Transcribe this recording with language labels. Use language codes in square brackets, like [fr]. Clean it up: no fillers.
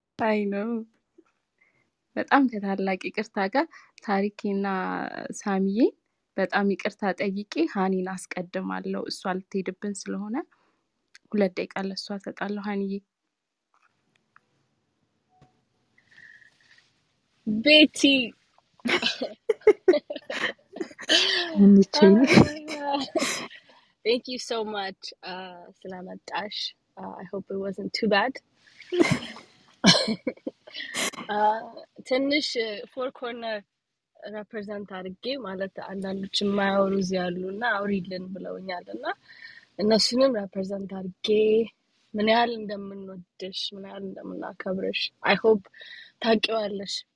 [am] አይ ነው በጣም ከታላቅ ይቅርታ ጋር ታሪኬና ሳሚዬ በጣም ይቅርታ ጠይቄ ሀኒን አስቀድማለሁ። እሷ ልትሄድብን ስለሆነ 2 ደቂቃ ለእሷ ሰጣለሁ። ሀኒዬ [en] ቤቲ thank you so much [am] ስላመጣሽ [en] I hope it wasn't too bad. [am] ትንሽ ፎር ኮርነር ሬፕሬዘንት አድርጌ ማለት አንዳንዶች የማያወሩ እዚህ ያሉ እና አውሪልን ብለውኛል እና እነሱንም ሬፕሬዘንት አድርጌ ምን ያህል እንደምንወድሽ ምን ያህል እንደምናከብርሽ [en] አይ ሆፕ [am] ታውቂዋለሽ።